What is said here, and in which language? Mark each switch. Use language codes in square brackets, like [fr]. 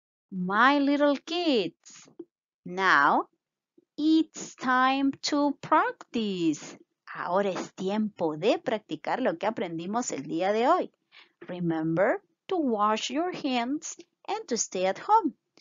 [en] My little kids, now it's time to practice. [es] Ahora es tiempo de practicar lo que aprendimos el día de hoy. [en] Remember to wash your hands and to stay at home.